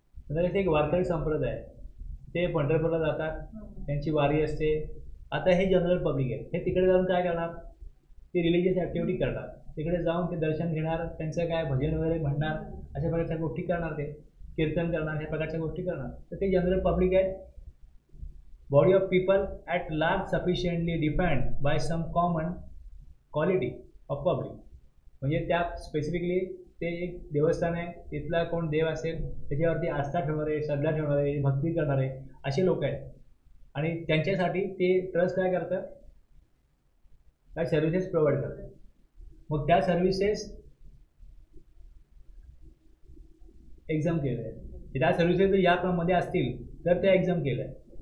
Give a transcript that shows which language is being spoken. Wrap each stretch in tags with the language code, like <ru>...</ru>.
<mr>आता इथे एक वारकरी संप्रदाय ते पंढरपूरला जातात त्यांची वारी असते आता हे जनरल पब्लिक आहे हे तिकडे जाऊन काय करणार ते रिलीजियस ॲक्टिव्हिटी करणार तिकडे जाऊन ते दर्शन घेणार त्यांचं काय भजन वगैरे म्हणणार अशा प्रकारच्या गोष्टी करणार ते कीर्तन करणार ह्या प्रकारच्या गोष्टी करणार तर ते जनरल पब्लिक आहे</mr> <en>body of people at large sufficiently defined by some common quality of public.</en> <mr>म्हणजे त्या स्पेसिफिकली ते एक देवस्थान आहे, तिथला कोण देव असेल त्याच्यावरती आस्था ठेवणारे, श्रद्धा ठेवणारे, भक्ती करणारे असे लोक आहेत. आणि त्यांच्यासाठी ते ट्रस्ट काय करतं, काय सर्व्हिसेस प्रोव्हाइड करतं. मग त्या सर्व्हिसेस एक्झाम केलं आहे, त्या सर्व्हिसेस जर यामध्ये असतील तर त्या एक्झाम केलं आहे.</mr>